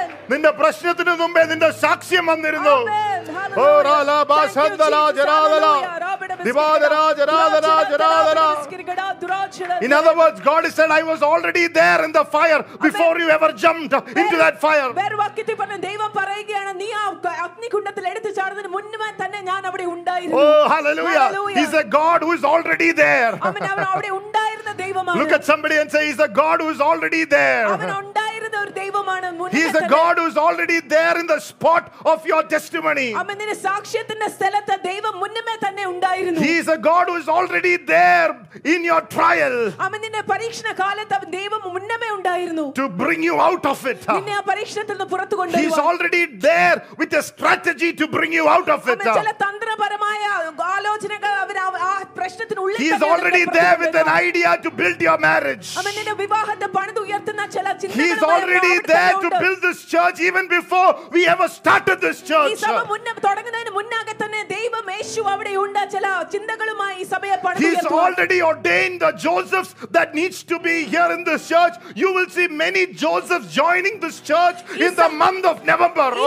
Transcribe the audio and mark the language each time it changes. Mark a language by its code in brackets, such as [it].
[ml] നിന്റെ പ്രശ്നത്തിന് മുമ്പേ നിന്റെ സാക്ഷ്യം വന്നിരുന്നു. [en] In other words, God has said, I was already there in the fire before you ever jumped into that fire. [ml] വേറെ വാക്കിത്തി പറഞ്ഞു ദൈവം പറയുകയാണ് നീ അഗ്നികുണ്ടത്തിൽ എടുത്തു ചാടുന്നതിന് മുന്നേ തന്നെ ഞാൻ അവിടെ ഉണ്ടായിരുന്നു. [en] Oh, hallelujah. He's a God who is already there. [ml] അവൻ അവിടെ ഉണ്ടായിരുന്ന ദൈവമാണ്. [en] Look at somebody and say, he's a God who is already there. [ml] അവൻ ഉണ്ടായിരുന്ന ഒരു ദൈവമാണ്. [en] He's a God who is already there in the spot of your testimony. [ml] അവൻ നിന്റെ സാക്ഷ്യത്തിന്റെ സ്ഥലത്തെ ദൈവം മുന്നേ തന്നെ ഉണ്ടായിരുന്നു. [en] He is a God who is already there in your trial. [ml] അവൻ നിന്റെ പരീക്ഷണ കാലത്തെ ദൈവം മുന്നേ ഉണ്ടായിരുന്നു. [en] To bring you out of it. [ml] നിന്നെ ആ പരീക്ഷണത്തിൽ നിന്ന് പുറത്തു കൊണ്ടുവരുവാൻ. [en] He is already there with a strategy to bring you out of it. [ml] അവൻ ചില തന്ത്രപരമായ ആലോചനകൾ അവൻ ആ പ്രശ്നത്തിന് ഉള്ളിൽ. [en] He is already there with an idea to build your marriage. [ml] അവൻ നിന്റെ വിവാഹത്തെ പണിതുയർത്തുന്ന ചില ചിന്തകൾ. [en] He is already there to build this church even before we ever started this church. [ml] ഈ സഭ മുന്നേ തുടങ്ങുന്നതിന് മുന്നാകെ തന്നെ ദൈവം യേശു അവിടെ ഉണ്ട് ചില ചിന്തകളുമായി ഈ സഭയെ പണിതുയർത്തുന്നു. [en] He is already ordained the Josephs that needs to be here in this church. You will see many Josephs joining this church in the month of November.